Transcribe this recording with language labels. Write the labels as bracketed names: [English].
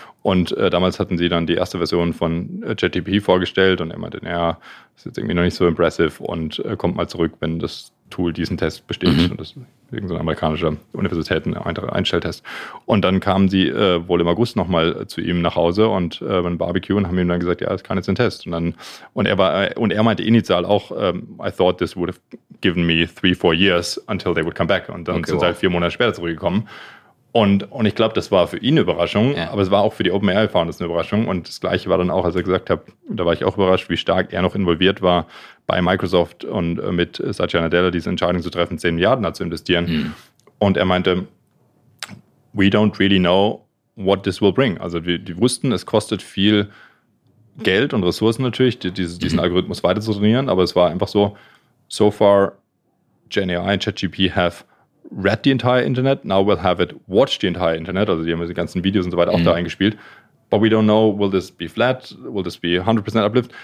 [German] Und damals hatten sie dann die erste Version von ChatGPT vorgestellt und er meinte, naja, ist jetzt irgendwie noch nicht so impressive und kommt mal zurück, wenn das Tool diesen Test besteht. Und das ist irgendeine amerikanische Universität, ein Einstelltest. Und dann kamen sie wohl im August nochmal zu ihm nach Hause und beim Barbecue und haben ihm dann gesagt, ja, das kann jetzt ein Test. Und er meinte initial auch, [English] I thought this would have given me 3-4 years until they would come back. [German] Und dann sind sie halt 4 Monate später zurückgekommen. Und ich glaube, das war für ihn eine Überraschung, aber es war auch für die OpenAI Founders eine Überraschung. Und das Gleiche war dann auch, als er gesagt hat, da war ich auch überrascht, wie stark er noch involviert war bei Microsoft und mit Satya Nadella diese Entscheidung zu treffen, 10 Milliarden da zu investieren. Und er meinte, [English] we don't really know what this will bring. [German] Also die wussten, es kostet viel Geld und Ressourcen natürlich, diesen Algorithmus weiter zu trainieren, aber es war einfach [English] so far GenAI und ChatGPT have read the entire Internet, [German] now we'll have it watch the entire Internet, also die haben die ganzen Videos und so weiter auch da eingespielt, [English] but we don't know, will this be flat, will this be 100% uplift?